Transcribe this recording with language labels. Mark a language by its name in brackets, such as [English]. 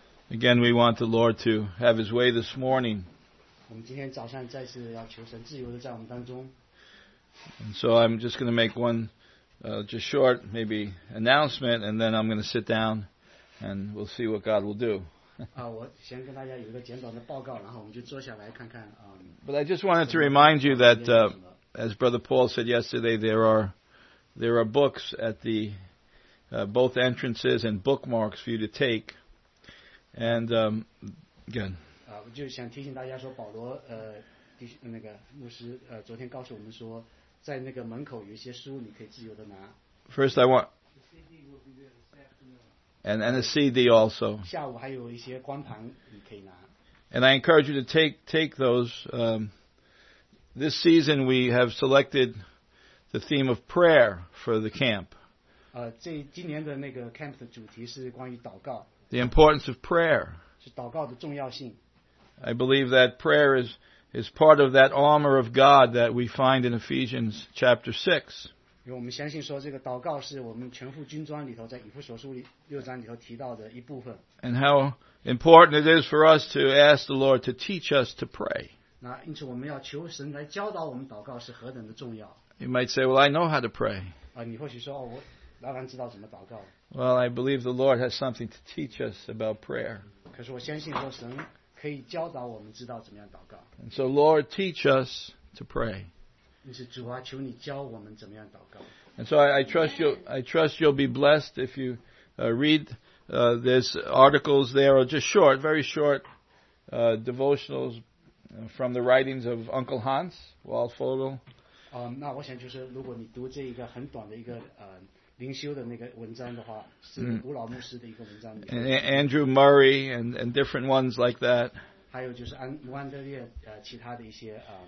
[English] Again, we want the Lord to have His way this morning. And so I'm just going to make one just short, maybe announcement, and then I'm going to sit down and we'll see what God will do. [Chinese] 啊，我先跟大家有一个简短的报告，然后我们就坐下来看看啊。 [English] But I just wanted to remind you that, as Brother Paul said yesterday, there are books at the both entrances and bookmarks for you to take. And again. [Chinese] 啊，我就想提醒大家说，保罗那个牧师昨天告诉我们说，在那个门口有一些书你可以自由的拿。 [English] First, I want. And a CD also. [Chinese] 下午还有一些光盘你可以拿。 [English] And I encourage you to take those. This season we have selected the theme of prayer for the camp. [Chinese] 今年的那个 camp 的主题是关于祷告。 [English] The importance of prayer. [Chinese] 是祷告的重要性。 [English] I believe that prayer is part of that armor of God that we find in Ephesians chapter 6. [Chinese] 因为我们相信说这个祷告是我们全副军装里头在以弗所书六章里头提到的一部分。 [English] And how important it is for us to ask the Lord to teach us to pray. [Chinese] 那因此我们要求神来教导我们祷告是何等的重要。 [English] You might say, well, I know how to pray. [Chinese] 你或许说、哦、我当然知道怎么祷告。 [English] Well, I believe the Lord has something to teach us about prayer. [Chinese] 可是我相信说神可以教导我们知道怎么样祷告。 [English] And so, Lord, teach us to pray. [Chinese] 主啊，求你教我们怎么样祷告。 [English] And so I trust you'll be blessed if you read these articles there, or just short, very short devotionals from the writings of Uncle Hans Waldfogel. [Chinese] 那我想就是如果你读这一个很短的一个灵修的那个文章的话，是古老牧师的一个文章。 [English] And Andrew Murray and different ones like that. [Chinese] 还有就是安德烈其他的一些